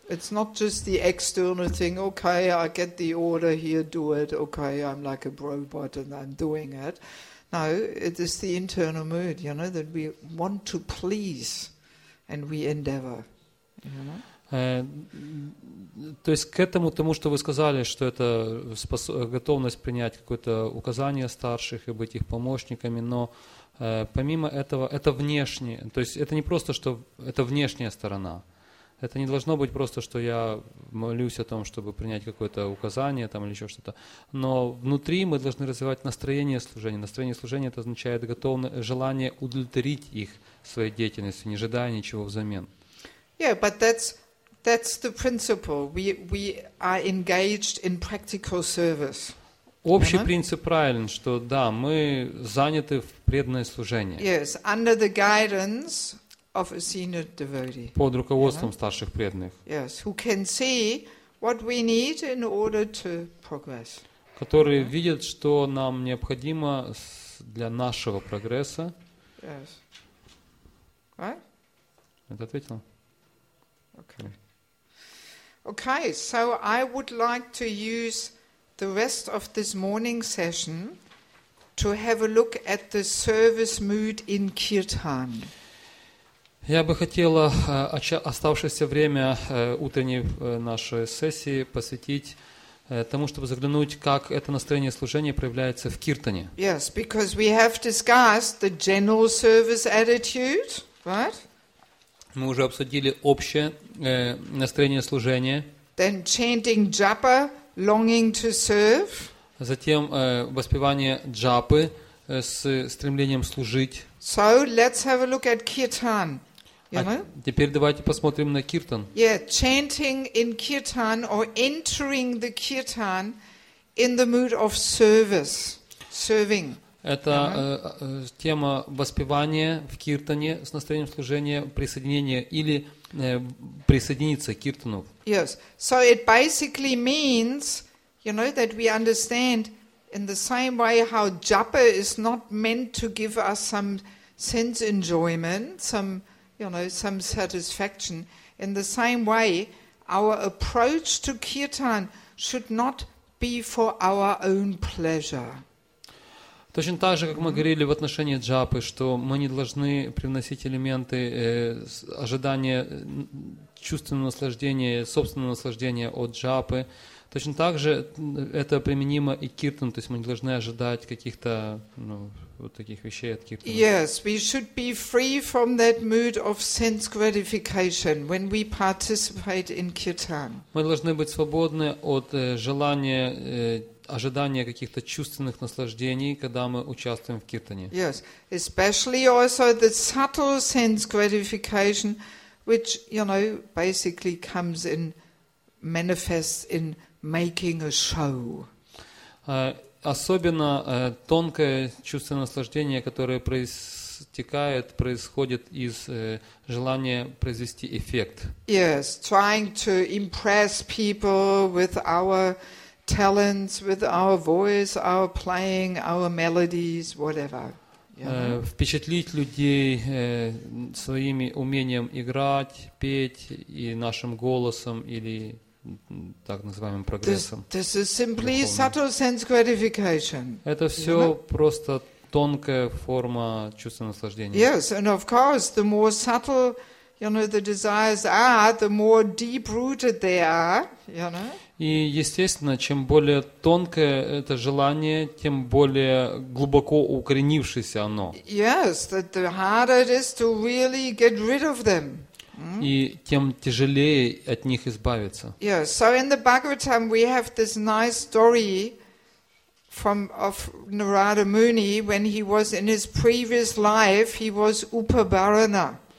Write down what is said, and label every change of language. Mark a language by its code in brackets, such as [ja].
[en] It's not just the external thing, okay, I get the order here, do it, okay, I'm like a robot and I'm doing it. No, it is the internal mood, you know, that we want to please and we endeavor, you know. [ru] То есть к этому тому, что вы сказали, что это готовность принять какое-то указание старших и быть их помощниками, но помимо этого, это внешнее, то есть это не просто, что это внешняя сторона, это не должно быть просто, что я молюсь о том, чтобы принять какое-то указание там, или еще что-то, но внутри мы должны развивать настроение служения. Настроение служения – это означает желание удовлетворить их своей деятельностью, не ожидая ничего взамен. [en] Yeah, but that's the principle. We are engaged in practical service. [ru] Общий принцип правильный, что да, мы заняты в преданное служение. [en] Yes, under the guidance of a senior devotee. [ru] Под руководством старших преданных. [en] Yes, who can see what we need in order to progress. [ru] Которые видят, что нам необходимо для нашего прогресса. [en] Yes. Right? [ru] Это ответило? [en] Okay. Okay, so I would like to use the rest of this morning session to have a look at the service mood in Kirtan. [ru] Я бы хотела оставшееся время утренней нашей сессии посвятить тому, чтобы заглянуть, как это настроение служения проявляется в киртане. [en] Yes, because we have discussed the general service attitude, right? [ru] Мы уже обсудили общее настроение служения. [en] Then chanting japa, longing to serve. [ru] Затем воспевание джапы с стремлением служить. [en] So let's have a look at kirtan. [ru] Теперь давайте посмотрим на киртан. [en] Yeah, chanting in kirtan or entering the kirtan in the mood of service, serving. [ru] Это тема воспевания в киртане с настроением служения, присоединения или присоединиться к киртану. [en] Yes, so it basically means, you know, that we understand in the same way how japa is not meant to give us some sense enjoyment, some, you know, some satisfaction. In the same way, our approach to kirtan should not be for our own pleasure. [ru] Точно так же, как мы говорили в отношении джапы, что мы не должны привносить элементы ожидания чувственного наслаждения, собственного наслаждения от джапы. Точно так же это применимо и к киртану, то есть мы не должны ожидать каких-то, ну, вот таких вещей от киртана. [en] Yes, we should be free from that mood of sense gratification when we participate in kirtan. [ru] Мы должны быть свободны от желания ожидания каких-то чувственных наслаждений, когда мы участвуем в киртане. [en] Yes, especially also the subtle sense gratification, which, you know, basically comes in, manifests in making a show. [ru] Особенно тонкое чувственное наслаждение, которое происходит из желания произвести эффект. [en] Yes, trying to impress people with our talents, with our voice, our playing, our melodies, whatever. [ru] Впечатлить людей своими умением играть, петь и нашим голосом или так называемым прогрессом. [en] This is simply subtle sense gratification. [ru] Это все просто тонкая форма чувственного наслаждения. [en] Yes, and of course, the more subtle, you know, the desires are, the more deep-rooted they are, you know. [ru] И, естественно, чем более тонкое это желание, тем более глубоко укоренившееся оно. [en] Yes, the harder it is to really get rid of them. [ru] И тем тяжелее от них избавиться. [en] Yes, so in the Bhagavatam we have this nice story of Narada Muni when he was in his previous life, he was Upabharana.